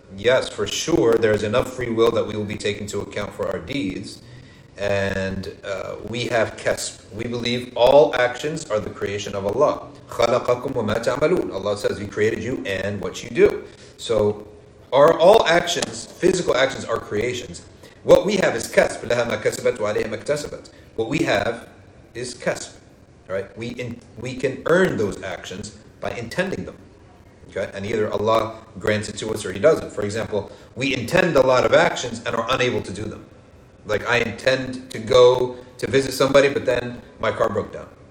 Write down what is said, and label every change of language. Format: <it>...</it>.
<en>Yes, for sure, there is enough free will that we will be taken to account for our deeds. And we have kasb. We believe all actions are the creation of Allah.</en> <ar>خَلَقَكُمْ وَمَا تَعْمَلُونَ</ar> <en>Allah says, He created you and what you do. So are all actions, physical actions, are creations. What we have is kasb.</en> <ar>لَهَا مَا كَسَبَتْ وَعَلَيْهَا مَا اكْتَسَبَتْ</ar> <en>What we have is kasb. Right? We can earn those actions by intending them. Okay? And either Allah grants it to us or He doesn't. For example, we intend a lot of actions and are unable to do them. Like, I intend to go to visit somebody, but then my car broke down.</en>